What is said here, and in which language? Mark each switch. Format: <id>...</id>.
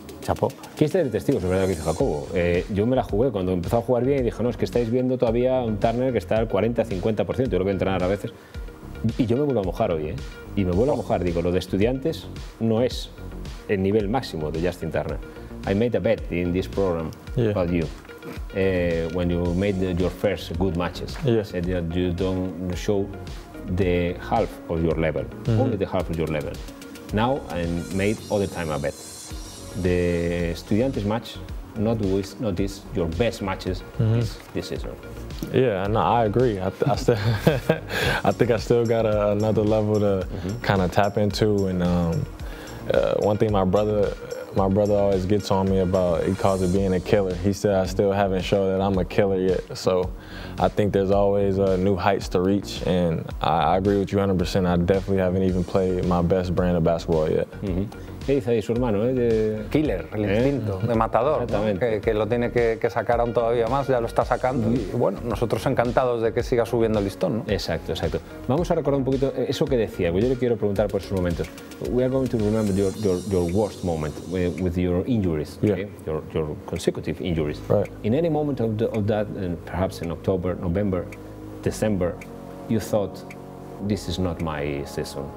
<es>Chapo. ¿Quién está de testigo? Es verdad que dice Jacobo. Yo me la jugué cuando empezó a jugar bien y dije, no, es que estáis viendo todavía un Turner que está al 40-50%. Yo lo veo entrenar a veces. Y yo me vuelvo a mojar hoy, ¿eh? Y me vuelvo a mojar. Digo, lo de Estudiantes no es el nivel máximo de Justin Turner.</es> <en>I made a bet in this program about you. When you made your first good matches. Yes. And that you don't show the half of your level. Mm-hmm. Only the half of your level. Now I made all the time a bet. The Estudiantes match, not this, your best matches this season. Yeah, no, I agree. I think I still got another level to kind of tap into. And one thing my brother always gets on me about, he calls it being a killer. He said I still haven't shown that I'm a killer yet. So I think there's always new heights to reach. And I agree with you 100%. I definitely haven't even played my best brand of basketball yet.</en> <es>Mm-hmm. ¿Qué dice ahí su hermano? De... Killer, el instinto, de matador, ¿no? que lo tiene que sacar aún todavía más, ya lo está sacando. Y bueno, nosotros encantados de que siga subiendo el listón, ¿no? Exacto, exacto. Vamos a recordar un poquito eso que decía, porque yo le quiero preguntar por esos momentos.</es> <en>We are going to remember your worst moment with your injuries, okay? Yeah. Your consecutive injuries. Right. In any moment of that, and perhaps in October, November, December, you thought, this is not my season.</en>